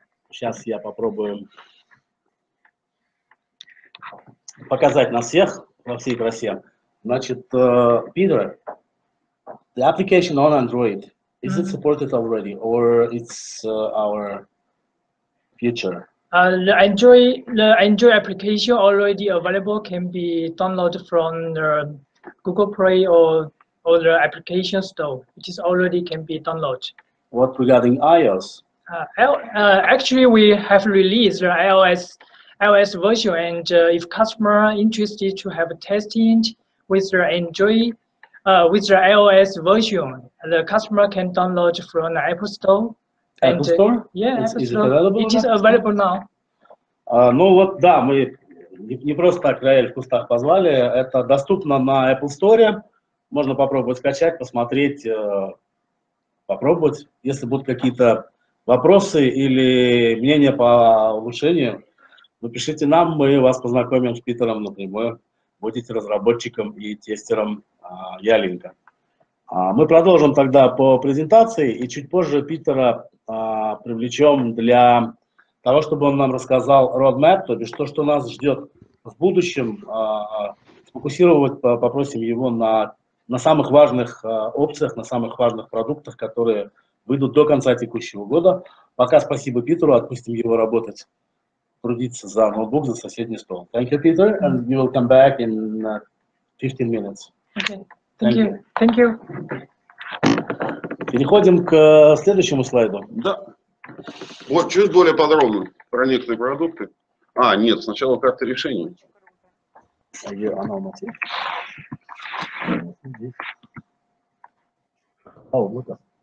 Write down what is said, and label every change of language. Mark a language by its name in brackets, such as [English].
[Russian] Сейчас я попробую показать нас всех во всей красе. Значит, [English] Питер, the application on Android. Is it supported already, or it's our future? The Android application already available can be downloaded from the Google Play or the application store, which is already can be downloaded. What regarding iOS? Actually, we have released the iOS version, and if customer interested to have a testing with the Android, with the iOS version, the customer can download from the Apple Store. Apple Store? Yeah, it is available now. [Russian] Ну вот, да, мы не просто так рояль в кустах позвали. Это доступно на Apple Store. Можно попробовать скачать, посмотреть, попробовать. Если будут какие-то вопросы или мнения по улучшению, напишите нам, мы вас познакомим с Питером напрямую. Будете разработчиком и тестером Ялинка. Мы продолжим тогда по презентации, и чуть позже Питера привлечем для того, чтобы он нам рассказал roadmap, то бишь то, что нас ждет в будущем. Сфокусировать попросим его на самых важных опциях, на самых важных продуктах, которые выйдут до конца текущего года. Пока спасибо Питеру, отпустим его работать, трудиться за ноутбук, за соседний стол. [English] Thank you, Peter, and you will come back in 15 minutes. Okay. Thank you. [Russian] Переходим к следующему слайду. Да. Вот, чуть более подробно про некоторые продукты. А, нет, сначала карта решений. Она у нас есть? А, облако.